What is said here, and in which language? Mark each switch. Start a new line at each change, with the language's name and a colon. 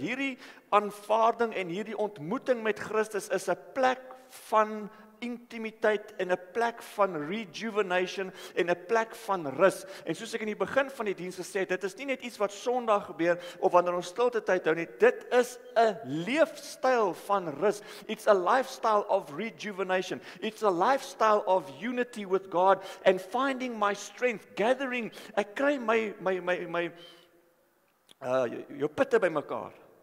Afrikaans: Hierdie aanvaarding en hierdie ontmoeting met Christus is 'n plek van intimiteit en een plek van rejuvenation en een plek van rus. En soos ek in die begin van die dienst gesê het, dit is nie net iets wat Sondag gebeur of wanneer ons stilte tyd hou nie, dit is 'n leefstyl van rus.
English: It's a lifestyle of rejuvenation. It's a lifestyle of unity with God and finding my strength, gathering,
Afrikaans: ek kry jou pitte by mekaar.